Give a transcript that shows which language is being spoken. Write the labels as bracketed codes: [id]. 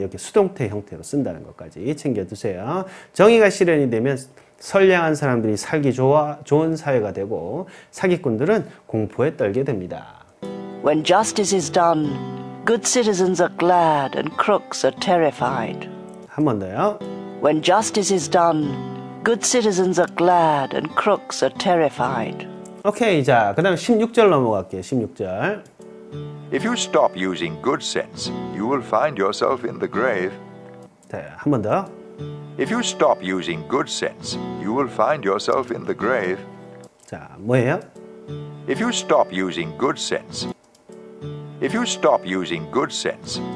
[ko] 이렇게 수동태 형태로 쓴다는 것까지 챙겨 두세요. 정의가 실현이 되면 선량한 사람들이 살기 좋은 사회가 되고 사기꾼들은 공포에 떨게 됩니다. [en] When justice is done, good citizens are glad and crooks are terrified. [ko] 한 번 더요. [en] When justice is done, good citizens are glad and crooks are terrified. [ko] 오케이, 자, 그 다음 16절 넘어갈게요, 16절. [en] If you stop using good sense, you will find yourself in the grave. [ko] 자, 한 번 더. [en] If you stop using good sense, you will find yourself in the grave. [ko] 자, 뭐예요? [en] If you stop using good sense, if you stop using good sense,